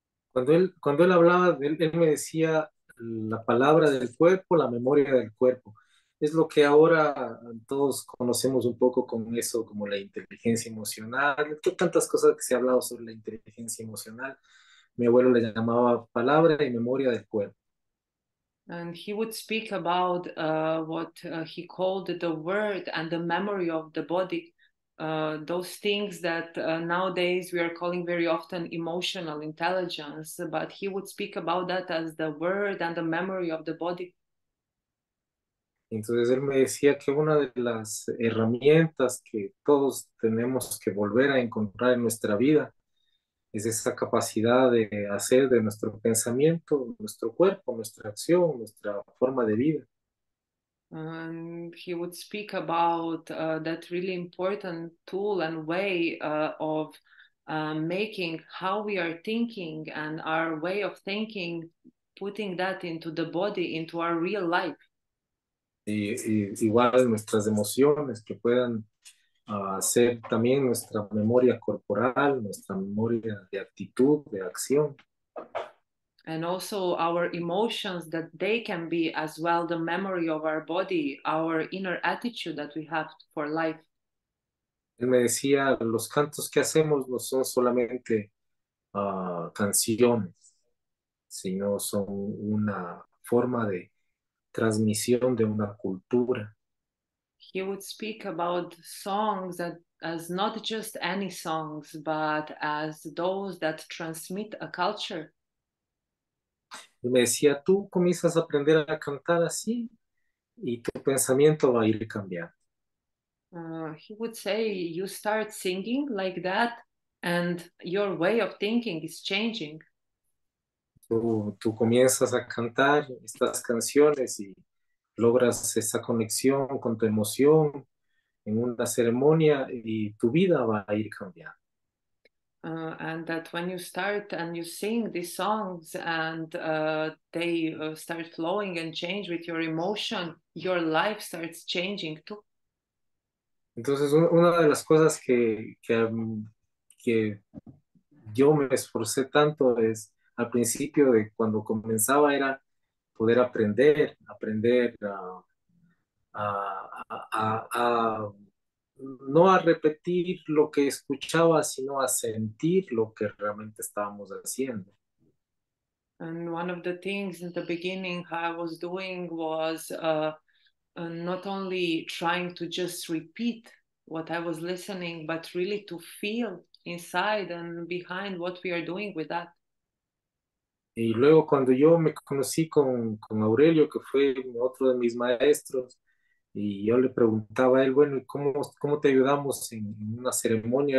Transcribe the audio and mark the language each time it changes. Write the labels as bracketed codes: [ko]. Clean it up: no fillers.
[es] Cuando él hablaba, él me decía la palabra del cuerpo, la memoria del cuerpo. Es lo que ahora todos conocemos un poco con eso, como la inteligencia emocional. Qué tantas cosas que se ha hablado sobre la inteligencia emocional. Mi abuelo le llamaba palabra y memoria del cuerpo. [en] And he would speak about what he called the word and the memory of the body, those things that nowadays we are calling very often emotional intelligence, but he would speak about that as the word and the memory of the body. [es] Entonces él me decía que una de las herramientas que todos tenemos que volver a encontrar en nuestra vida es esa capacidad de hacer de nuestro pensamiento, nuestro cuerpo, nuestra acción, nuestra forma de vida. [en] And he would speak about that really important tool and way of making how we are thinking and our way of thinking, putting that into the body, into our real life. [es] Y igual nuestras emociones que puedan ser también nuestra memoria corporal, nuestra memoria de actitud, de acción. [en] And also our emotions, that they can be as well the memory of our body, our inner attitude that we have for life. [es] Él me decía, los cantos que hacemos no son solamente canciones, sino son una forma de transmisión de una cultura. [en] He would speak about songs that, as not just any songs, but as those that transmit a culture. [es] Y me decía, tú comienzas a aprender a cantar así y tu pensamiento va a ir cambiando. [en] He would say, you start singing like that and your way of thinking is changing. [es] Tú comienzas a cantar estas canciones y logras esa conexión con tu emoción en una ceremonia y tu vida va a ir cambiando. [en] And that when you start and you sing these songs and they start flowing and change with your emotion, your life starts changing too. [es] Entonces, una de las cosas que yo me esforcé tanto es al principio de cuando comenzaba era poder aprender no a repetir lo que escuchaba, sino a sentir lo que realmente estábamos haciendo. [en] And one of the things in the beginning I was doing was not only trying to just repeat what I was listening, but really to feel inside and behind what we are doing with that. [es] Y luego cuando yo me conocí con Aurelio, que fue otro de mis maestros, y yo le preguntaba a él, bueno, ¿y cómo te ayudamos en una ceremonia?